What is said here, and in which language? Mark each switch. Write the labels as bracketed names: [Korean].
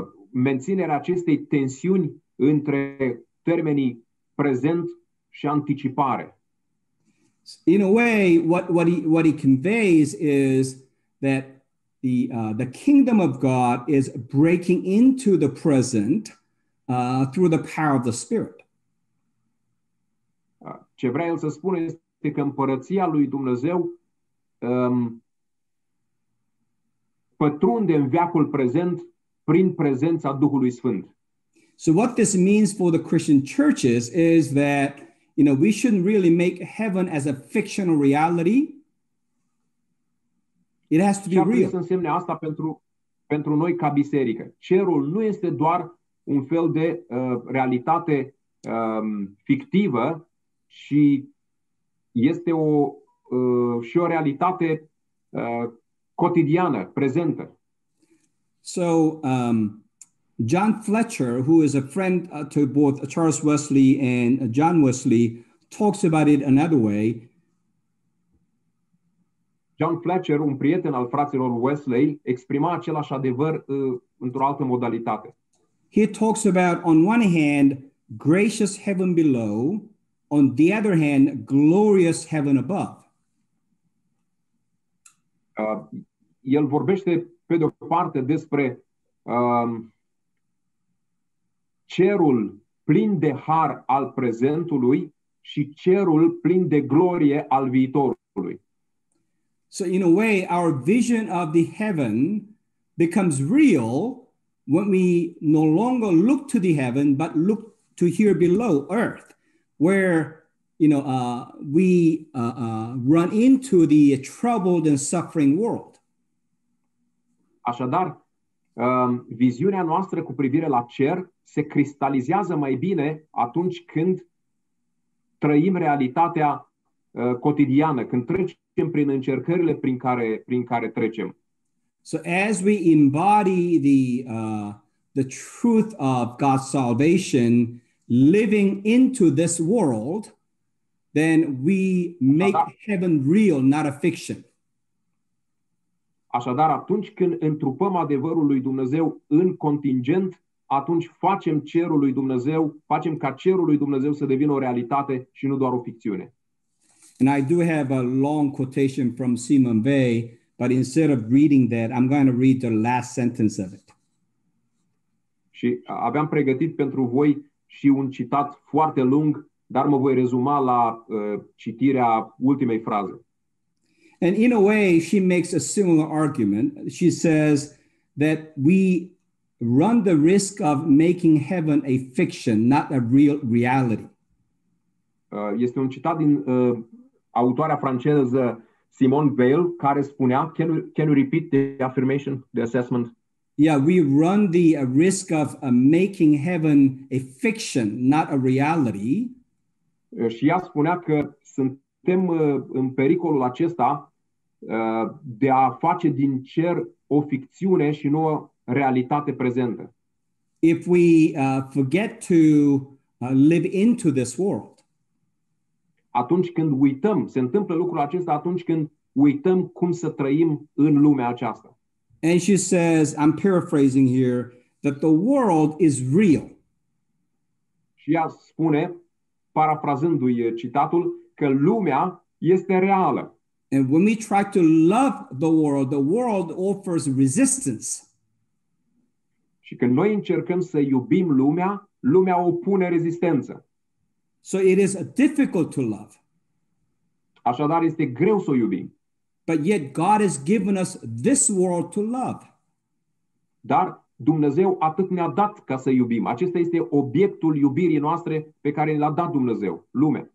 [Romanian] Menținerea acestei tensiuni între termenii prezent și anticipare. [English] In a way, what he conveys is that the kingdom of God is breaking into the present through the power of the Spirit. [Romanian] Ce vrea el să spună este că împărăția lui Dumnezeu pătrunde în veacul prezent prin prezența Duhului Sfânt. [English] So what this means for the Christian churches is that, you know, we shouldn't really make heaven as a fictional reality. It has to be real. [Romanian] Ce înseamnă asta pentru noi ca biserică? Cerul nu este doar un fel de realitate fictivă, ci este o realitate cotidiană, prezentă. [English] So, John Fletcher, who is a friend to both Charles Wesley and John Wesley, talks about it another way. [Romanian] John Fletcher, un prieten al fraților Wesley, exprima același adevăr într-o altă modalitate. [English] He talks about, on one hand, gracious heaven below, on the other hand, glorious heaven above. [Romanian] El vorbește pe de o parte despre cerul plin de har al prezentului și cerul plin de glorie al viitorului. [English] So in a way our vision of the heaven becomes real when we no longer look to the heaven but look to here below earth where run into the troubled and suffering world. [Romanian] Așadar, viziunea noastră cu privire la cer se cristalizează mai bine atunci când trăim realitatea cotidiană, când trecem prin încercările prin care trecem. [English] So as we embody the truth of God's salvation living into this world, then we make heaven real, not a fiction. [Romanian] Așadar, atunci când întrupăm adevărul lui Dumnezeu în contingent, atunci facem ca cerul lui Dumnezeu să devină o realitate și nu doar o ficțiune. [English] And I do have a long quotation from Simon Bay, but instead of reading that, I'm going to read the last sentence of it. [Romanian] Și aveam pregătit pentru voi și un citat foarte lung, dar mă voi rezuma la citirea ultimei fraze. [English] And in a way, she makes a similar argument. She says that we run the risk of making heaven a fiction, not a real reality. [Romanian] Este un citat din autoarea franceză Simone Weil, care spunea, [English] can you repeat the affirmation, the assessment? Yeah, we run the risk of making heaven a fiction, not a reality. [Romanian] Și ea spunea că suntem în pericolul acesta de a face din cer o ficțiune și nu o realitate prezentă. [English] If we forget to live into this world. [Romanian] Atunci când uităm, se întâmplă lucrul acesta atunci când uităm cum să trăim în lumea aceasta. [English] And she says, I'm paraphrasing here, that the world is real. [Romanian] Și ea spune, parafrazându-i citatul, că lumea este reală. [English] And when we try to love the world offers resistance. [Romanian] Și când noi încercăm să iubim lumea, lumea opune rezistență. [English] So it is difficult to love. [Romanian] Așadar, este greu să o iubim. [English] But yet God has given us this world to love. [Romanian] Dar Dumnezeu atât ne-a dat ca să iubim. Acesta este obiectul iubirii noastre pe care ne l-a dat Dumnezeu, lumea.